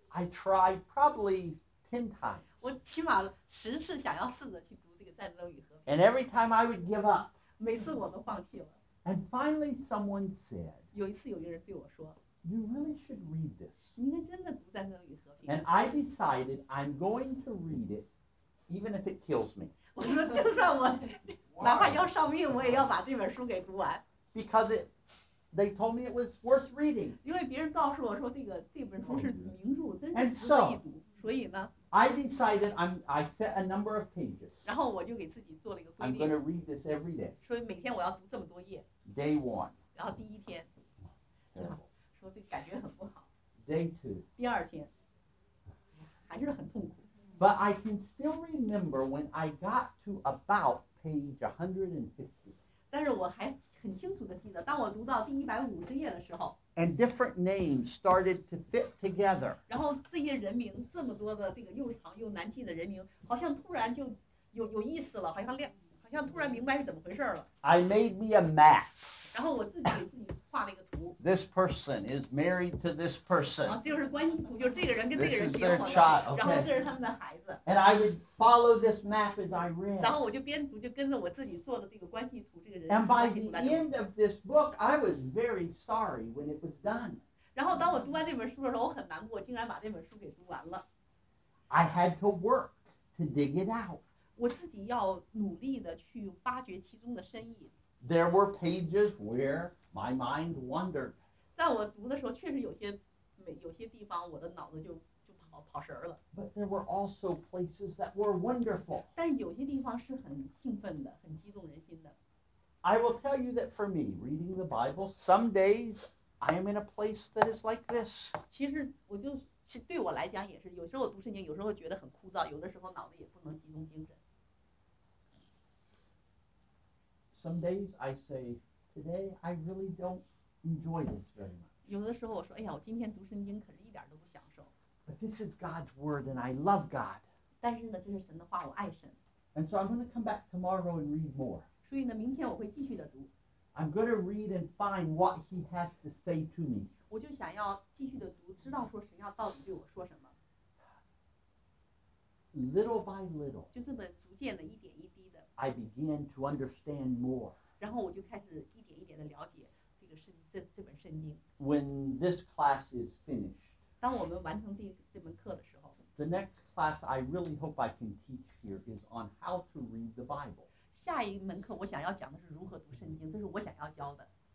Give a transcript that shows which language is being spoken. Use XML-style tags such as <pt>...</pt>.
<en>I tried probably 10 times.</en> <zh>我起码十次想要试着去读这个《战争与和平》。</zh> <en>And every time I would give up.</en> <zh>每次我都放弃了。</zh> <en>And finally someone said.</en> <zh>有一次有一个人对我说。</zh> <en>You really should read this.</en> <zh>你应该真的读《战争与和平》。</zh> <en>And I decided I'm going to read it. Even if it kills me.</en> <zh>我说就算我哪怕要上命，我也要把这本书给读完。</zh> <en>Because they told me it was worth reading.</en> <zh>因为别人告诉我说这本书是名著，真是值得一读。所以呢</zh> <en>，I decided I set a number of pages.</en> <zh>然后我就给自己做了一个规定。</zh> <en>I'm going to read this every day.</en> <zh>所以每天我要读这么多页。</zh> <en>Day one.</en> <zh>然后第一天，说这感觉很不好。</zh> <en>Day two.</en> <zh>第二天，还是很痛苦。</zh> <en>But I can still remember when I got to about page 150.</en> <zh>但是我还很清楚地记得，当我读到第150页的时候。</zh> <en>And different names started to fit together.</en> <zh>然后这些人名，这么多的这个又长又难记的人名，好像突然就有意思了，好像突然明白是怎么回事了。</zh> <en>I made me a map.</en> <zh>然后我自己给自己画了一个图。</zh> <en>This person is married to this person.</en> <zh>就是关系图，就是这个人跟这个人结婚了。</zh> <en>This is their child. Okay.</en> <zh>然后这是他们的孩子。</zh> <en>And I would follow this map as I read.</en> <zh>然后我就边读就跟着我自己做的这个关系图，这个人。</zh> <en>And by the end of this book, I was very sorry when it was done.</en> <zh>然后当我读完这本书的时候，我很难过，竟然把这本书给读完了。</zh> <en>I had to work to dig it out.</en> <zh>我自己要努力的去发掘其中的深意。</zh> <en>There were pages where my mind wandered.</en> <zh>在我读的时候，确实有些地方我的脑子就跑神了。</zh> <en>But there were also places that were wonderful.</en> <zh>但是有些地方是很兴奋的，很激动人心的。</zh> <en>I will tell you that for me, reading the Bible, some days I am in a place that is like this.</en> <zh>其实我就是对我来讲也是，有时候读圣经，有时候觉得很枯燥，有的时候脑子也不能集中精神。</zh> <en>Some days I say, today I really don't enjoy this very much.</en> <zh>有的时候我说，哎呀，我今天读圣经可是一点都不享受。</zh> <en>But this is God's word, and I love God.</en> <zh>但是呢，这是神的话，我爱神。</zh> <en>And so I'm going to come back tomorrow and read more.</en> <zh>所以呢，明天我会继续的读。</zh> <en>I'm going to read and find what he has to say to me.</en> <zh>我就想要继续的读，知道说神要到底对我说什么。</zh> <en>Little by little,</en> <zh>就这么逐渐的一点一滴的。</zh> <en>I began to understand more.</en> <zh>然后我就开始一点一点的了解这个圣这这本圣经。</zh> <en>When this class is finished,</en> <zh>当我们完成这门课的时候。</zh> <en>The next class I really hope I can teach here is on how to read the Bible.</en> <zh>下一门课我想要讲的是如何读圣经，这是我想要教的。</zh>